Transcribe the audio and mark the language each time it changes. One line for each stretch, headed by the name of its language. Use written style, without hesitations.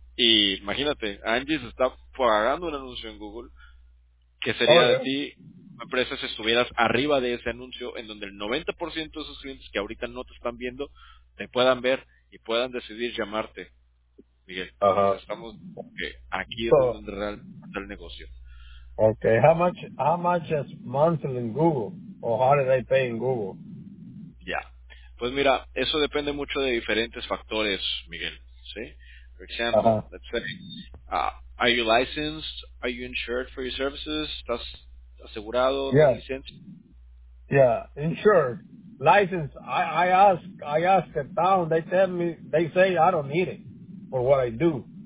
Spanish: Y imagínate, Angie se está pagando un anuncio en Google. ¿Qué sería de ti, empresa, si estuvieras arriba de ese anuncio en donde el 90% de esos clientes que ahorita no te están viendo te puedan ver y puedan decidir llamarte, Miguel? Pues estamos, aquí es en
English: So,
Spanish: donde realmente está el negocio.
English: okay, how much is monthly in Google, or how do they pay in Google?
Spanish: Pues mira, eso depende mucho de diferentes factores, Miguel, ¿sí?
English: For example, let's say, are you licensed? Are you insured for your services?
Spanish: ¿Estás asegurado? ¿Tienes licencia?
English: Insured, license. I ask it down. They tell me, they say I don't need it for what I do.